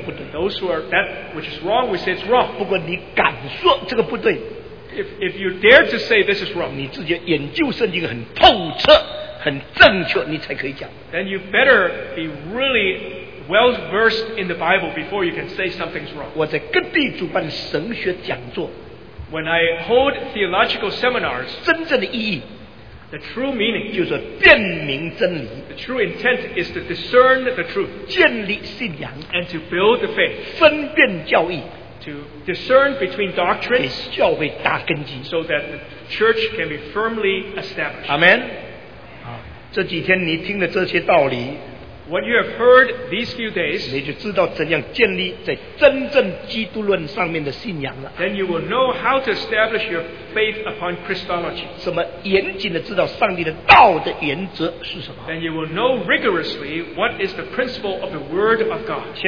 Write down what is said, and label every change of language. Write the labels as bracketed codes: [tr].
[en] those who are that which is wrong, we say it's wrong. If you dare to say this is wrong, [zh] 你自己研究圣经很透彻，很正确，你才可以讲。 [en] Then you better be really well versed in the Bible before you can say something's wrong. [zh] 我在各地主办神学讲座, [en] when I hold theological seminars, [zh] 真正的意义, [en] the true meaning, [zh] 就是辨明真理, [en] the true intent is to discern the truth, [zh] 建立信仰, [en] and to build the faith, [zh] 分辨教义, [en] to discern between doctrines, [zh] 给教会打根基, [en] so that the church can be firmly established. Amen. [zh] 这几天你听了这些道理, [en] what you have heard these few days, then you will know how to establish your faith upon Christology. Then you will know rigorously what is the principle of the Word of God.